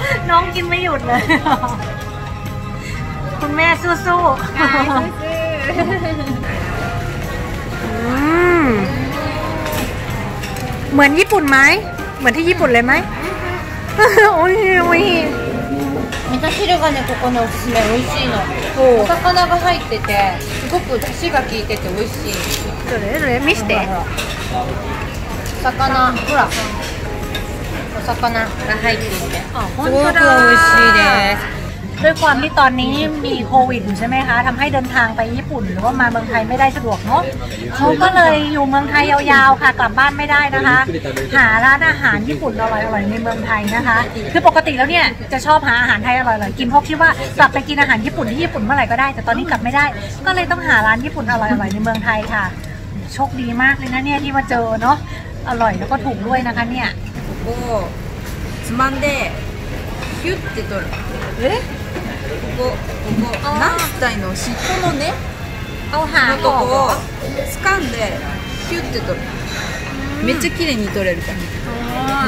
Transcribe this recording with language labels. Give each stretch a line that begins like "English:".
Thai: น้องกินไม่หยุดเลยคุณแม่สู้ๆ สู้ๆเหมือนญี่ปุ่นไหมเหมือนที่ญี่ปุ่นเลยไหมโอ้ยโอ้ยมิ ตาชิลกันเนี่ย
Japanese: ここのおすすめ美味しいのお魚が入っててすごく出汁が効いてて美味しいどれどれ見せて魚ほらお魚が入っていて、すごく美味しいです。
Thai: ด้วยความที่ตอนนี้มีโควิดใช่ไหมคะ、ทำให้เดินทางไปญี่ปุ่นหรือว่ามาเมืองไทยไม่ได้สะดวกเนาะ เขาก็เลยอยู่เมืองไทยยาวๆค่ะ กลับบ้านไม่ได้นะคะ หาร้านอาหารญี่ปุ่นอร่อยๆในเมืองไทยนะคะ คือปกติแล้วเนี่ยจะชอบหาอาหารไทยอร่อยๆกินเพราะคิดว่ากลับไปกินอาหารญี่ปุ่นที่ญี่ปุ่นเมื่อไหร่ก็ได้แต่ตอนนี้กลับไม่ได้ก็เลยต้องหาร้านญี่ปุ่นอร่อยๆในเมืองไทยค่ะ โชคดีมากเลยนะเนี่ยที่มาเจอเนาะ อร่อยแล้วก็ถูกด้วยนะคะเนี่ย
Japanese: こうつまんでヒュって取る。え？ここナスタイの尻尾のね、おはのとこを掴んでヒュって取る。めっちゃ綺麗に取れるから。